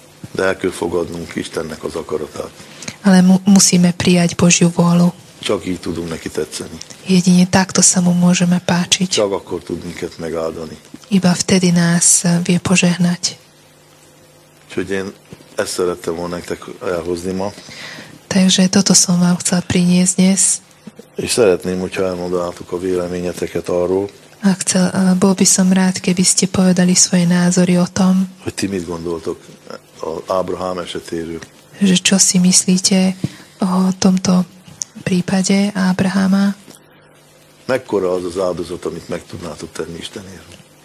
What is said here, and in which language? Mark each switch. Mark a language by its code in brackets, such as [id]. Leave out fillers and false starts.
[hu] De el kell fogadnunk Istennek az akaratát. [sk] Ale musíme prijať Božiu vôľu. [hu] Csak így tudunk neki tetszeni. [sk] Jedine takto sa mu môžeme páčiť. [hu] Csak akkor tud minket megáldani. [sk] Iba vtedy nás vie požehnať. [hu] Úgyhogy én ezt szerettem volna nektek elhozni ma. [sk] Takže toto som vám chcel priniesť dnes. [hu] És szeretném, hogyha elmondanátok a véleményeteket arról. [sk] A chcel, bol by som rád, keby ste povedali svoje názory o tom. [hu] Hogy ti mit gondoltok az Abraham esetéről. [sk] Že čo si myslíte o tomto prípade Abrahama? [hu] Mekkora az az áldozat, amit meg tudnátok tenni Istenért?